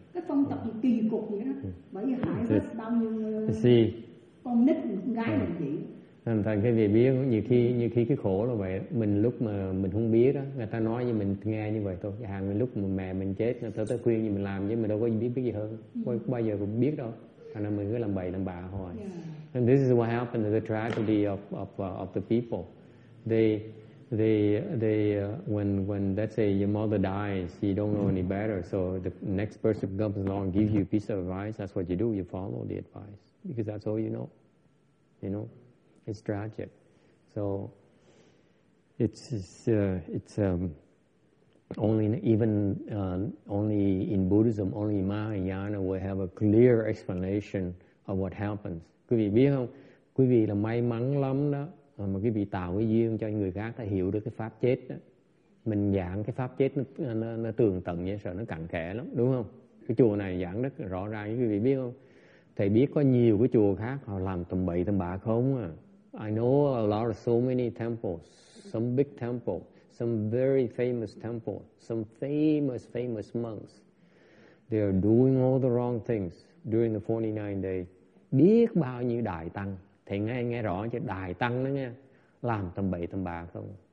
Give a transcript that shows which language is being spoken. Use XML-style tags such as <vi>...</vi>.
<vi>Cái phong tục kỳ cục vậy đó. Bởi vì hại hết bao nhiêu con nít, con gái mình vậy. Thành thành cái việc biết nhiều khi cái khổ là vậy, mình lúc mà mình không biết đó, người ta nói như mình nghe như vậy thôi. Hàng lúc mà mẹ mình chết, người ta tới khuyên như mình làm, chứ mình đâu có biết gì hơn, không bao giờ cũng biết đâu. Thành ra mình cứ làm bậy làm bạ hoài.</vi> <en>Yeah. And this is what happened to the tragedy of the people. They when let's say your mother dies, you don't know any better, so the next person comes along, gives you a piece of advice, that's what you do, you follow the advice because that's all you know. It's tragic. So it's only in Buddhism, only Mahayana will have a clear explanation of what happens.</en> <vi>Quý vị biết không? Quý vị là may mắn lắm đó, mà quý vị tạo cái duyên cho người khác đã hiểu được cái pháp chết đó. Mình giảng cái pháp chết nó tường tận như sợ nó cặn kẽ lắm, đúng không? cái chùa này giảng rất rõ ràng, quý vị biết không? Thầy biết có nhiều cái chùa khác họ làm tầm bậy tầm bạ không à?</vi> <en>I know a lot of so many temples, some big temple, some very famous temple, some famous famous monks. They are doing all the wrong things during the 49 days.</en> <vi>Biết bao nhiêu đại tăng, thầy nghe nghe rõ chứ, đại tăng đó nghe, làm tầm bậy tầm bạ không?</vi>